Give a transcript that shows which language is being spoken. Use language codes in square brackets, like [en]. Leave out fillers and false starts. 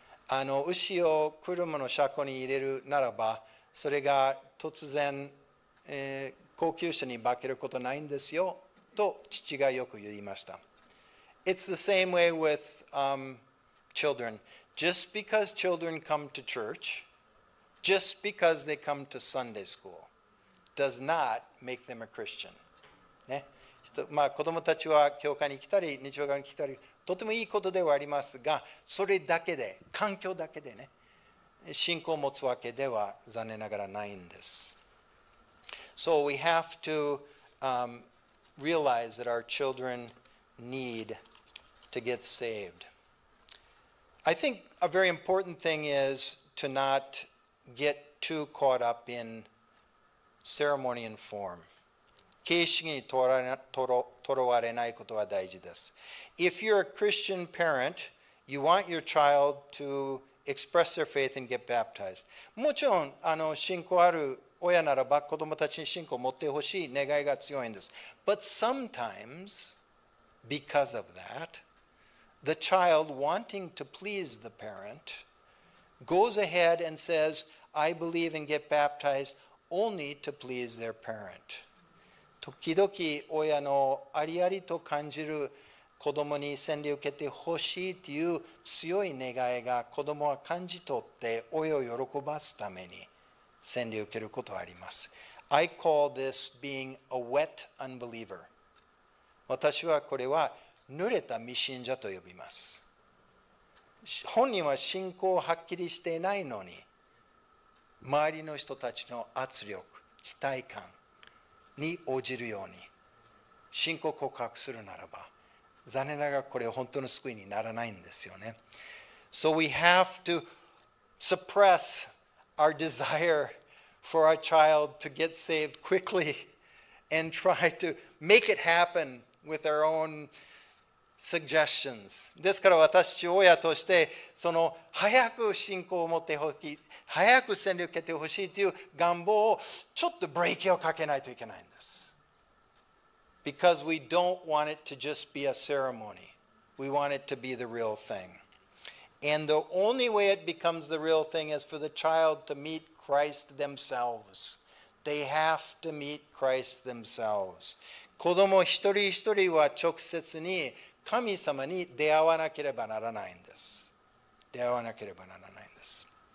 [ja] あの牛を車の車庫に入れるならば、それが突然、高級車に化けることないんですよと父がよく言いました。 [en] It's the same way with children. Just because children come to church, just because they come to Sunday school, does not make them a Christian.、 [ja] ね、まあ子供たちは教会に来たり、日曜日に来たり、とてもいいことではありますが、それだけで、環境だけでね、信仰を持つわけでは残念ながらないんです。 [en] So we have to realize that our children need to get saved. I think a very important thing is to not get too caught up in ceremony and form. [ja] 形式にとらわれないことは大事です。 [en] If you're a Christian parent, you want your child to express their faith and get baptized. [ja] もちろん、信仰ある親ならば子供たちに信仰を持ってほしい願いが強いんです。 [en] But sometimes, because of that, the child wanting to please the parent goes ahead and says, I believe and get baptized only to please their parent. [ja] 時々親のありありと感じる子供に洗礼を受けてほしいという強い願いが子供は感じ取って親を喜ばすために洗礼を受けることはあります。 [en] I call this being a wet unbeliever. [ja] 私はこれは濡れた未信者と呼びます。本人は信仰をはっきりしていないのに、周りの人たちの圧力、期待感に応じるように信仰告白するならば、残念ながらこれは本当の救いにならないんですよね。 [en] So we have to suppress our desire for our child to get saved quickly and try to make it happen with our own suggestions. [ja] ですから私親としてその早く信仰を持ってほしい、早く洗礼を受けてほしいという願望をちょっとブレーキをかけないといけないんです。 [en] Because we don't want it to just be a ceremony. We want it to be the real thing. And the only way it becomes the real thing is for the child to meet Christ themselves. They have to meet Christ themselves. [ja] 子供一人一人は直接に神様に出会わなければならないんです。出会わなければならないんです。